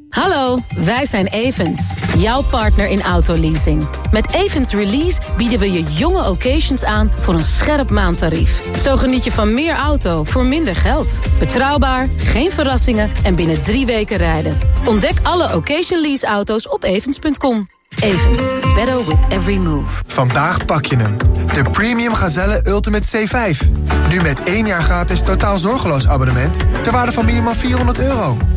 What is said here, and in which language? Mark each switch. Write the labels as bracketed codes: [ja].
[nl] Hallo, wij zijn Evens, jouw partner in autoleasing. Met Evens Release bieden we je jonge occasions aan voor een scherp maandtarief. Zo geniet je van meer auto voor minder geld. Betrouwbaar, geen verrassingen en binnen 3 weken rijden. Ontdek alle occasion lease auto's op evens.com. [en] Evens, better with every move. [nl] Vandaag pak je hem. De Premium Gazelle Ultimate C5. Nu met 1 jaar gratis totaal zorgeloos abonnement ter waarde van minimaal €400.